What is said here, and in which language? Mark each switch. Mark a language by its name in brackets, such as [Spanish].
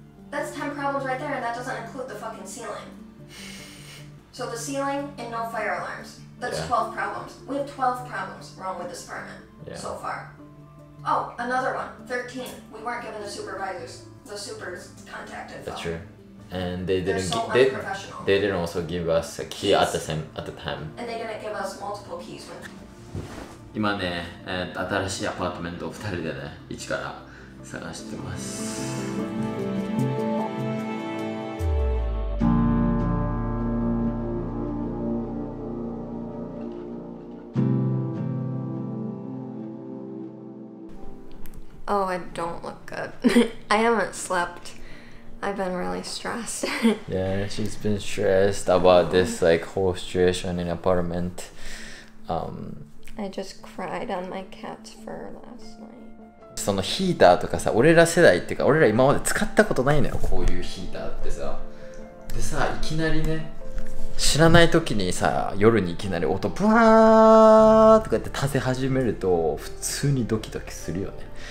[English] That's 10 problems right there, and that doesn't include the fucking ceiling. So the ceiling and no fire alarms. That's 12 problems. We have 12 problems wrong with this apartment so far. Oh, another one. 13. We weren't given the supervisors. The supers contacted them. That's true. And they didn't they didn't also give us a key at the time. And they didn't give us multiple keys. [Japanese] 今ね、新しいアパートメントを2人でね、一から探してます。 [English] Oh, I don't look good. I haven't slept. I've been really stressed. Yeah, she's been stressed about this like whole situation in apartment. I just cried on my cat's fur last night. [Japanese] そのヒーターとかさ、俺ら世代っていうか、俺ら今まで使ったことないのよ、こういうヒーターってさ。でさ、いきなりね、知らない時にさ、夜にいきなり音ブワーとかって立て始めると、普通にドキドキするよね。